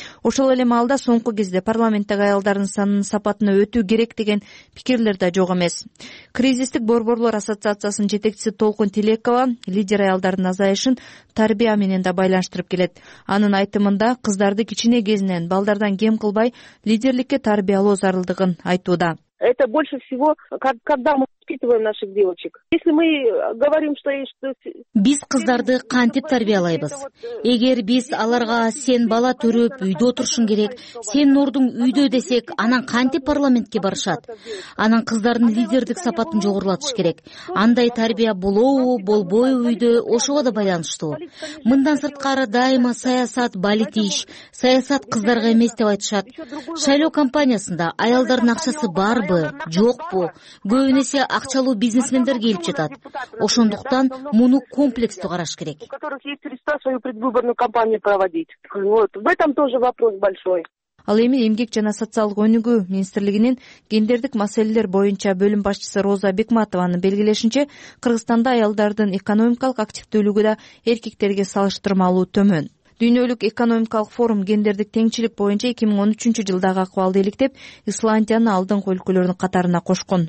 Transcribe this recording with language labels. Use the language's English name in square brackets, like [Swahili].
[Kyrgyz] Ошол эле маалда соңку кезде парламенттеги аялдардын санынын сапатына өтүү керек деген пикирлер да жок эмес. Кризистик борборлор ассоциациясынын жетекчиси Толкун Тилекова лидер аялдардын азайышын тарбия менен да байланыштырып келет. Анын айтымында кыздарды кичине кезинен балдардан кем кылбай лидерликке тарбиялоо зарылдыгын айтууда. [Russian] Это больше всего, когда мы воспитываем наших девочек. Если мы говорим, что [Kyrgyz] биз кыздарды кантип тарбиялайбыз? Эгер биз аларга сен бала төрүп үйдө отурушуң керек, сенин ордуң үйдө десек, анан кантип парламентке барышат? Анан кыздардын лидердик сапатын жогорулатыш керек. Андай тарбия болобу, болбойбу үйдө ошого да байланыштуу. Мындан сырткары дайыма саясат балит иш, саясат кыздарга эмес деп айтышат. Шайлоо кампаниясында аялдардын акчасы бар бы, жок бу, көбүнесе акчалуу бизнесмендер келип жатат. Ошондуктан муну комплекстүү караш керек. [Russian] В этом тоже вопрос большой. [Kyrgyz] Ал эми эмгек жана социалдык өнүгүү министрлигинин гендердик маселелер боюнча бөлүм башчысы Роза Бекматованын белгилешинче, Кыргызстанда аялдардын экономикалык активдүүлүгү да эркектерге салыштырмалуу төмөн. Дүйнөлүк экономикалык форум гендердик теңчилик боюнча 2013 жылдагы акыбалды иликтеп, Исландияны алдыңкы өлкөлөрдүн катарына кошкон.